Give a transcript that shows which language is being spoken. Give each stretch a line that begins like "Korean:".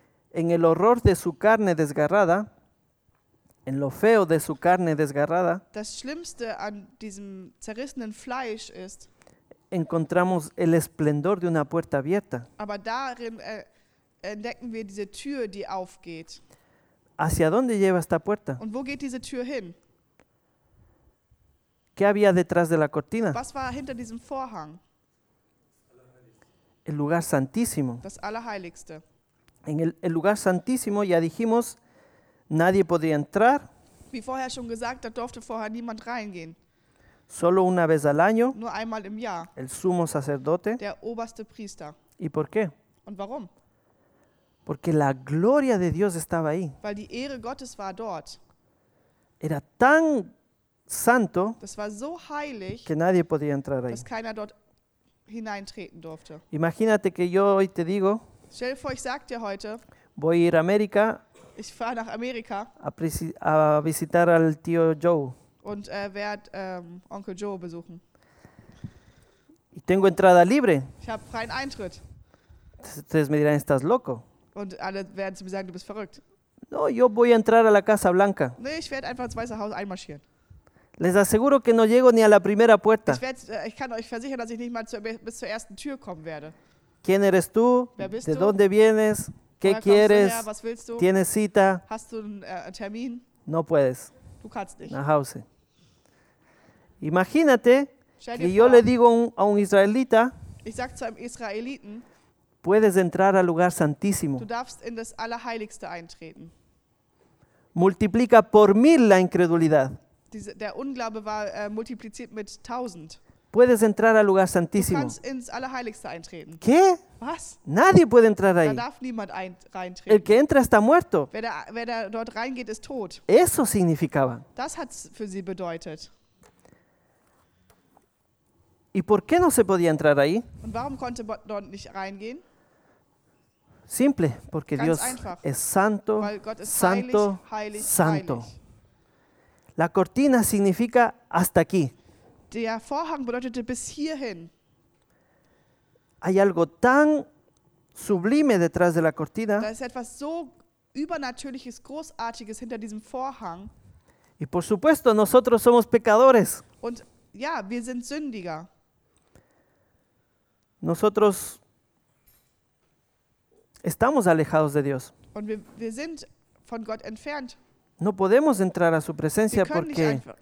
Spanish: en el horror de su carne desgarrada, en lo feo de su carne desgarrada,
German: das Schlimmste an diesem zerrissenen Fleisch ist,
Spanish: encontramos el esplendor de una puerta abierta.
German: Aber darin entdecken wir diese Tür, die aufgeht.
Spanish: ¿Hacia dónde lleva esta puerta?
German: Und wo geht diese Tür hin?
Spanish: ¿Qué había detrás de la cortina?
German: Was war hinter diesem Vorhang?
Spanish: El lugar santísimo.
German: Das Allerheiligste.
Spanish: En el lugar santísimo, ya dijimos, nadie podía entrar.
German: Wie vorher schon gesagt, da durfte vorher niemand reingehen.
Spanish: Solo una vez al año,
German: nur einmal im Jahr,
Spanish: el sumo sacerdote,
German: der oberste Priester.
Spanish: ¿Y por qué?
German: Und warum?
Spanish: Porque la gloria de Dios estaba ahí.
German: Weil die Ehre Gottes war dort.
Spanish: Era tan santo,
German: das war so heilig,
Spanish: que nadie podía entrar ahí.
German: Dass keiner dort hineintreten durfte.
Spanish: Imagínate que yo hoy te digo,
German: stell dir vor, ich sag dir heute,
Spanish: voy a ir a América,
German: ich fahre nach Amerika,
Spanish: a visitar al tío Joe.
German: Und werde Onkel Joe besuchen.
Spanish: Y tengo entrada libre.
German: Ich habe freien Eintritt.
Spanish: Entonces me dirán, estás loco.
German: Und alle werden zu mir sagen, du bist verrückt.
Spanish: No, yo voy a entrar a la Casa Blanca.
German: Nee, ich werde einfach ins Weiße Haus einmarschieren.
Spanish: Les aseguro que no llego ni a la primera puerta.
German: Ich kann euch versichern, dass ich nicht mal bis zur ersten Tür kommen werde.
Spanish: ¿Quién eres tú?
German: Wer bist
Spanish: ¿De
German: du?
Spanish: Dónde vienes? ¿Qué
German: Woher
Spanish: quieres?
German: Was willst du?
Spanish: ¿Tienes cita?
German: Hast du einen Termin?
Spanish: No puedes.
German: Du kannst nicht. Nach Hause.
Spanish: Imagínate que yo le digo a un israelita,
German: ich sag zu einem Israeliten,
Spanish: puedes entrar al lugar santísimo.
German: Du darfst in das Allerheiligste eintreten.
Spanish: Multiplica por mil la incredulidad.
German: Der Unglaube war multipliziert mit 1000.
Spanish: Puedes entrar al lugar santísimo.
German: Du kannst ins Allerheiligste eintreten.
Spanish: ¿Qué?
German: Was?
Spanish: Nadie puede entrar ahí.
German: Da darf niemand reintreten.
Spanish: El que entra está muerto.
German: Wer da dort reingeht, ist tot.
Spanish: Eso significaba.
German: Das hat für sie bedeutet.
Spanish: ¿Y por qué no se podía entrar ahí?
German: Und warum konnte dort nicht reingehen?
Spanish: Simple, porque
German: Ganz
Spanish: Dios
German: einfach.
Spanish: Es santo,
German: Weil Gott ist
Spanish: santo,
German: heilig, heilig,
Spanish: santo.
German: Heilig.
Spanish: La cortina significa hasta aquí.
German: Der Vorhang bedeutete bis hierhin.
Spanish: Hay algo tan sublime detrás de la cortina.
German: Da ist etwas so übernatürliches, großartiges hinter diesem Vorhang.
Spanish: Y por supuesto, nosotros somos pecadores.
German: Und ja, wir sind Sündiger.
Spanish: Nosotros estamos alejados de Dios.
German: Und wir sind von Gott entfernt.
Spanish: No podemos entrar a su presencia porque